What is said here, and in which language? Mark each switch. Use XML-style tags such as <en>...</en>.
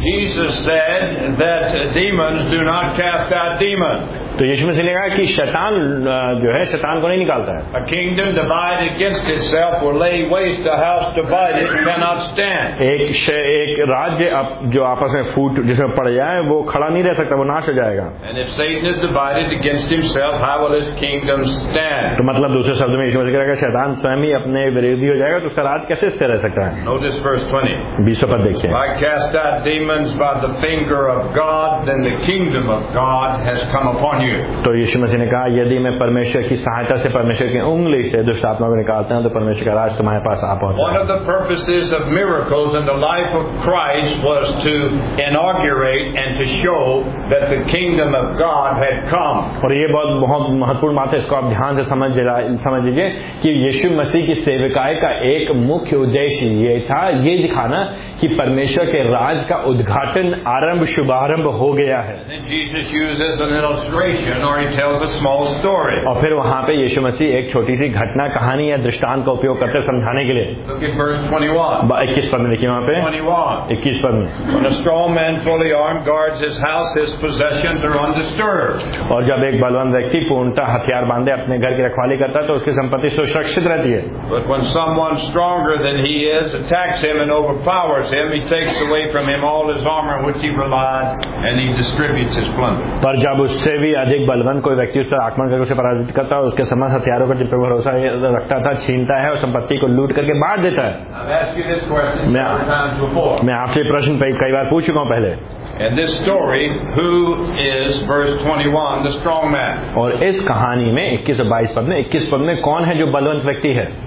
<en>Jesus said that demons do not cast out demons.</en> <hi>तो यीशु मसीह ने कहा कि शैतान जो है शैतान को नहीं निकालता है.</hi> <en>A kingdom divided against itself will lay waste a house divided cannot stand.</en> <hi>एक राज्य जो आपस में फूट जिसमें पड़ जाए वो खड़ा नहीं रह सकता वो नाश हो जाएगा.</hi> <en>And if Satan is divided against himself, how will his kingdom stand?</en> <hi>तो मतलब दूसरे शब्द में यीशु मसीह कह रहा है शैतान स्वयं ही अपने विरोधी हो जाएगा तो उसका राज कैसे स्थिर रह सकता है?</hi> <en>Notice verse 20.</en> <hi>20 पद देखिए.</hi> <en>I cast out demons by the finger of God, then the kingdom of God has come upon you.</en> <hi>तो यीशु मसीह ने कहा यदि मैं परमेश्वर की सहायता से परमेश्वर की उंगली से दुष्ट आत्मा को निकालता हूं तो परमेश्वर का राज तुम्हारे पास आ पहुंचता है.</hi> <en>One of the purposes of miracles in the life of Christ was to inaugurate and to show that the kingdom of God had come.</en> <hi>और ये बहुत बहुत महत्वपूर्ण बात है. इसको आप ध्यान से समझ लीजिए कि यीशु मसीह की सेविकाई का एक मुख्य उद्देश्य ये था ये दिखाना कि परमेश्वर के राज का उद्घाटन आरंभ शुभारंभ हो गया है.</hi> <en>Jesus uses an illustration. illustration or he tells a small story.</en> <hi>और फिर वहाँ पे यीशु मसीह एक छोटी सी घटना कहानी या दृष्टांत का उपयोग करते समझाने के लिए.</hi> <en>Look in verse 21.</en> <hi>21 पद में देखिए वहाँ पे.</hi> <en>21.</en> <hi>21 पद में.</hi> <en>When a strong man fully armed guards his house, his possessions are undisturbed.</en> <hi>और जब एक बलवंत व्यक्ति पूर्णतः हथियार बांधे अपने घर की रखवाली करता है तो उसकी संपत्ति सुरक्षित रहती है.</hi> <en>But when someone stronger than he is attacks him and overpowers him, he takes away from him all his armor which he relied and he distributes his plunder.</en> <hi>पर जब उससे भी अधिक बलवंत कोई व्यक्ति उस पर आक्रमण करके उसे पराजित करता है उसके समस्त हथियारों का जिन पर भरोसा रखता था छीनता है और संपत्ति को लूट करके मार देता है. मैं आपसे प्रश्न कई बार पूछ चुका हूँ पहले.</hi> <en>And this story, who is verse 21, the strong man?</en> <hi>और इस कहानी में 21 पद में कौन है जो बलवंत व्यक्ति है?</hi>